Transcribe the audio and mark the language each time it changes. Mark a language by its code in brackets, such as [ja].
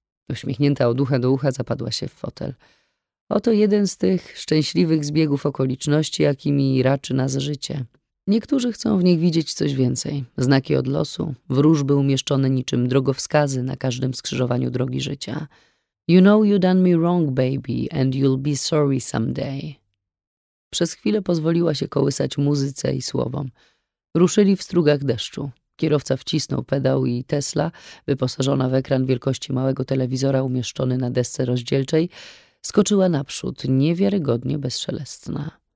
[pl] Uśmiechnięta od ucha do ucha zapadła się w fotel. Oto jeden z tych szczęśliwych zbiegów okoliczności, jakimi raczy nas życie. Niektórzy chcą w nich widzieć coś więcej. Znaki od losu, wróżby umieszczone niczym drogowskazy na każdym skrzyżowaniu drogi życia. [en] You know you done me wrong, baby, and you'll be sorry someday. [pl] Przez chwilę pozwoliła się kołysać muzyce i słowom. Ruszyli w strugach deszczu. Kierowca wcisnął pedał i Tesla, wyposażona w ekran wielkości małego telewizora umieszczony na desce rozdzielczej, skoczyła naprzód, niewiarygodnie bezszelestna.